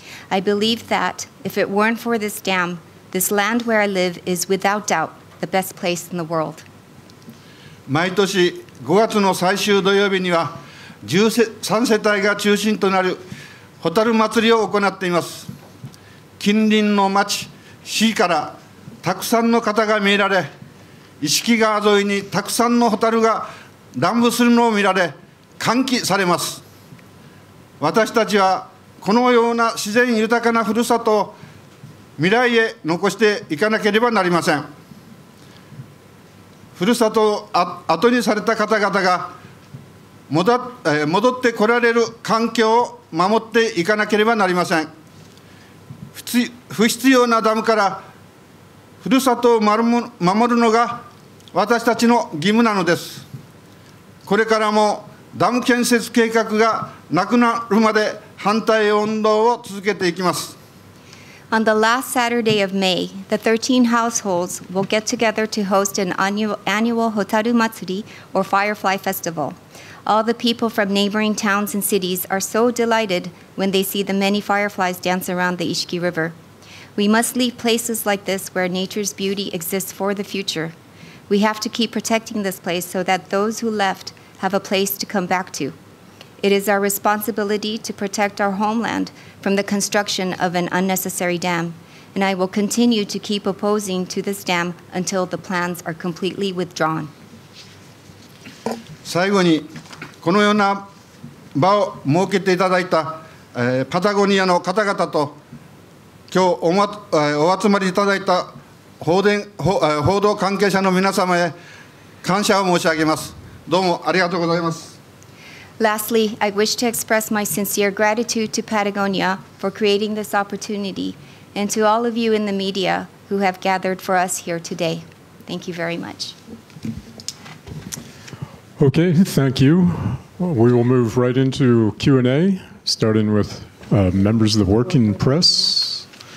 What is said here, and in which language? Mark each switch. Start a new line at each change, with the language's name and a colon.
English: I believe that if it weren't for this dam, this land where I live is without doubt the best place in the world.
Japanese: 毎年5月の最終土曜日には13世帯が中心となるホタル祭りを行っています。近隣の町、市からたくさんの方が見られ、伊敷川沿いにたくさんのホタルが乱舞するのを見られ、歓喜されます。私たちはこのような自然豊かなふるさとを未来へ残していかなければなりません。ふるさとを後にされた方々が戻ってこられる環境を守っていかなければなりません。不必要なダムからふるさとを守るのが私たちの義務なのです。これからもダム建設計画がなくなるまで反対運動を続けていきます。
English: On the last Saturday of May, the 13 households will get together to host an annual Hotaru Matsuri, or Firefly Festival. All the people from neighboring towns and cities are so delighted when they see the many fireflies dance around the Ishiki River. We must leave places like this where nature's beauty exists for the future. We have to keep protecting this place so that those who left have a place to come back to. It is our responsibility to protect our homeland from the construction of an unnecessary dam, and I will continue to keep opposing to this dam until the plans are completely withdrawn.
Japanese: 最後にこのような場を設けていただいた、パタゴニアの方々と今日 お集まりいただいた 報道関係者の皆様へ感謝を申し上げます。どうもありがとうございます。
English: Lastly, I wish to express my sincere gratitude to Patagonia for creating this opportunity and to all of you in the media who have gathered for us here today. Thank you very much. Okay, thank you. We will move right into Q&A, starting with members of the working press.